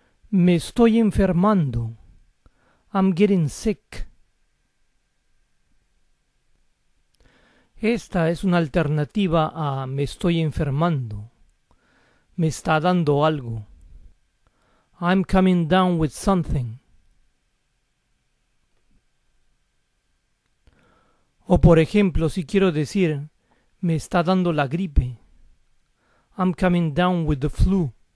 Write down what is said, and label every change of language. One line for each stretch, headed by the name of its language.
Spanish: Me estoy enfermando.
English: I'm getting sick.
Spanish: Esta es una alternativa a me estoy enfermando. Me está dando algo.
English: I'm coming down with something.
Spanish: O por ejemplo, si quiero decir, me está dando la gripe.
English: I'm coming down with the flu.